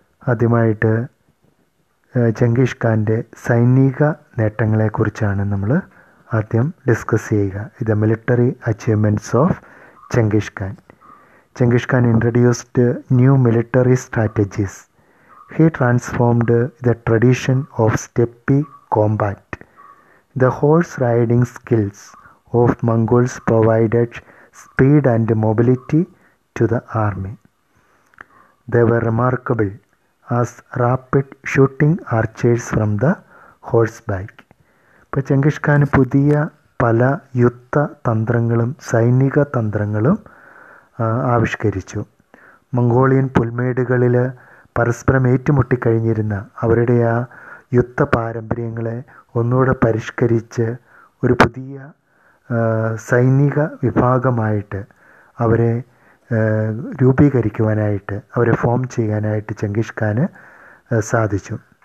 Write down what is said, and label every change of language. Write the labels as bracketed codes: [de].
[ml] ആദ്യമായിട്ട് ചെങ്കിഷ് ഖാൻ്റെ സൈനിക നേട്ടങ്ങളെക്കുറിച്ചാണ് നമ്മൾ ആദ്യം ഡിസ്കസ് ചെയ്യുക. ഇത് [en] Military achievements of Genghis Khan. Genghis Khan introduced new military strategies. He transformed the tradition of steppe combat. The horse riding skills of Mongols provided speed and mobility to the army. They were remarkable as rapid shooting archers from the horseback. [ml] ഇപ്പോൾ ചെങ്കിഷ് ഖാൻ പുതിയ പല യുദ്ധ തന്ത്രങ്ങളും സൈനിക തന്ത്രങ്ങളും ആവിഷ്കരിച്ചു. Mongolian പുൽമേടുകളിൽ പരസ്പരം ഏറ്റുമുട്ടിക്കഴിഞ്ഞിരുന്ന അവരുടെ ആ യുദ്ധ പാരമ്പര്യങ്ങളെ ഒന്നുകൂടെ പരിഷ്കരിച്ച് ഒരു പുതിയ സൈനിക വിഭാഗമായിട്ട് അവരെ രൂപീകരിക്കുവാനായിട്ട്, അവരെ ഫോം ചെയ്യാനായിട്ട് ചെങ്കിഷ് ഖാന് സാധിച്ചു.